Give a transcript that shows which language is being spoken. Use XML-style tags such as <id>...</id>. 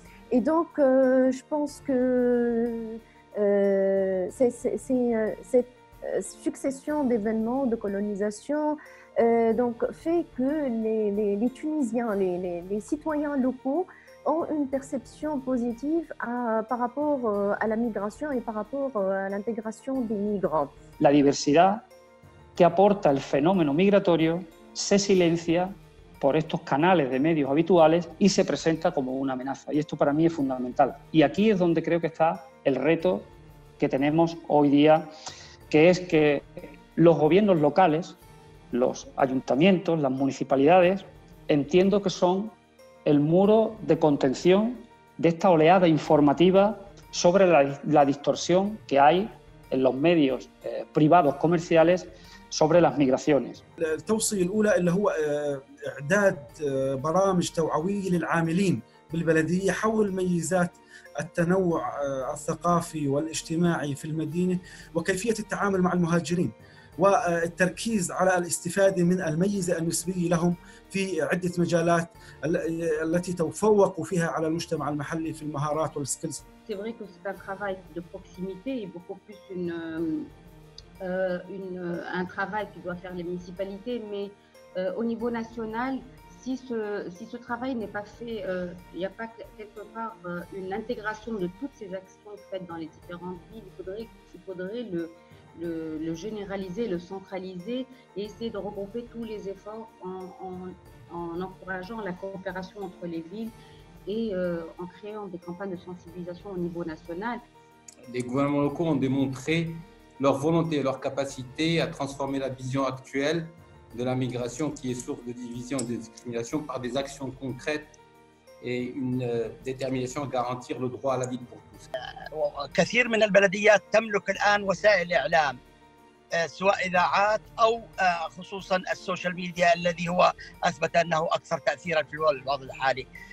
<fr>Et donc je pense que cette succession d'événements de colonisation donc fait que les Tunisiens, les citoyens locaux ont une perception positive par rapport à la migration et par rapport à l'intégration des migrants.</fr> <es>La diversidad que aporta el fenómeno migratorio se silencia por estos canales de medios habituales y se presenta como una amenaza. Y esto para mí es fundamental. Y aquí es donde creo que está el reto que tenemos hoy día, que es que los gobiernos locales, los ayuntamientos, las municipalidades, entiendo que son el muro de contención de esta oleada informativa sobre la distorsión que hay en los medios privados comerciales sobre las migraciones.</es> <ar>التوصية الأولى اللي هو إعداد برامج توعوية للعاملين بالبلدية حول ميزات التنوع الثقافي والاجتماعي في المدينة وكيفية التعامل مع المهاجرين والتركيز على الاستفادة من الميزة النسبية لهم في عدة مجالات التي تفوقوا فيها على المجتمع المحلي في المهارات والسكيلز.</ar> <fr>C'est vrai que c'est un travail de proximité et beaucoup plus un travail que doit faire les municipalités, mais au niveau national, si ce travail n'est pas fait, il n'y a pas quelque part une intégration de toutes ces actions faites dans les différentes villes, il faudrait le généraliser, le centraliser et essayer de regrouper tous les efforts en encourageant la coopération entre les villes et en créant des campagnes de sensibilisation au niveau national. Les gouvernements locaux ont démontré leur volonté et leur capacité à transformer la vision actuelle de la migration qui est source de division et de discrimination par des actions concrètes et une détermination à garantir le droit à la vie pour tous.</fr> <ar>كثير من البلديات تملك الآن وسائل إعلام سواء إذاعات أو خصوصا السوشيال ميديا الذي هو أثبت أنه أكثر تأثيرا في الوضع الحالي.</ar>